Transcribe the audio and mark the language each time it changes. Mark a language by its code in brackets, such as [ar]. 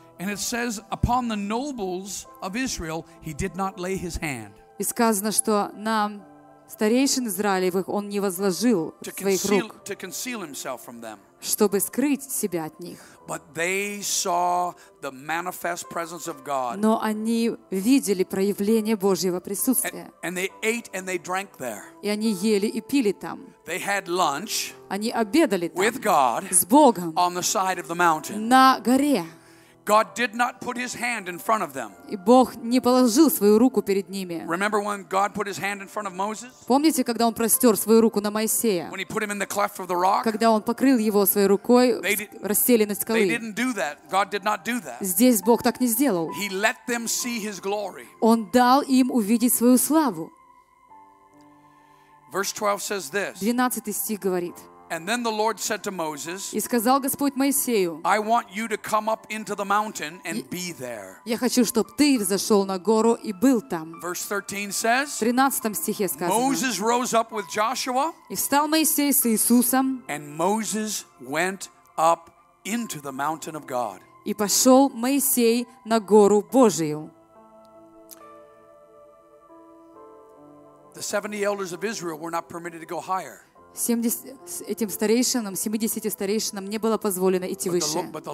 [en] And it says, upon the nobles of Israel, he did not lay his hand. [ru] И сказано, что на старейшин Израилевых он не возложил своих рук, [en] to conceal himself from them. [ru] Чтобы скрыть себя от них. [en] But they saw the manifest presence of God. [ru] Но они видели проявление Божьего присутствия. [en] And they ate and they drank there. [ru] И они ели и пили там. [en] They had lunch. [ru] Они обедали там. [en] With God. [ru] С Богом. [en] On the side of the mountain. [ru] На горе. [en] God did not put his hand in front of them. [ru] И Бог не положил свою руку перед ними. [en] Remember when God put his hand in front of Moses? [ru] Помните, когда он простёр свою руку на Моисея? [en] When he put him in the cleft of the rock? [ru] Когда он покрыл его своей рукой расселенной скалы. [en] They didn't do that. God did not do that. [ru] Здесь Бог так не сделал. [en] He let them see his glory. [ru] Он дал им увидеть свою славу. [en] Verse 12 says this. [ru] 12 стих говорит: [en] And then the Lord said to Moses, [ru] И сказал Господь Моисею, [en] I want you to come up into the mountain and be there. [ru] Я хочу, чтобы ты взошёл на гору и был там. [en] Verse 13 says, [ru] 13 стихе сказано, [en] Moses rose up with Joshua, [ru] И встал Моисей с Иисусом, [en] and Moses went up into the mountain of God. [ru] И пошёл Моисей на гору Божию. [en] The 70 elders of Israel were not permitted to go higher. [ru] Этим старейшинам, 70 старейшинам не было позволено идти выше.